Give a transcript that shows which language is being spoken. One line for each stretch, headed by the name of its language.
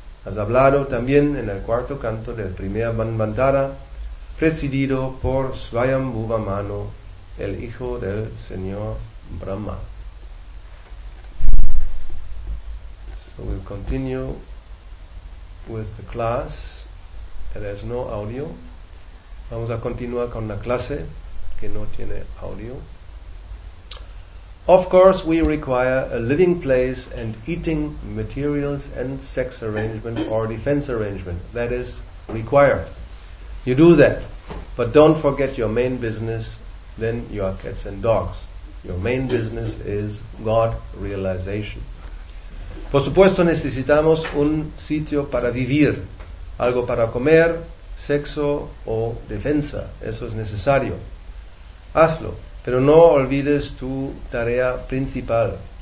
Spanish: Has hablado también en el cuarto canto del primer Manvantara, presidido por Svayambhuva Manu, el hijo del señor Brahma.
English: So we'll continue with the class. There is no audio.
Spanish: Vamos a continuar con la clase que no tiene audio.
English: Of course, we require a living place and eating materials and sex arrangement or defense arrangement. That is required. You do that. But don't forget your main business, then you are cats and dogs. Your main business is God realization.
Spanish: Por supuesto, necesitamos un sitio para vivir, algo para comer, sexo o defensa. Eso es necesario. Hazlo, pero no olvides tu tarea principal.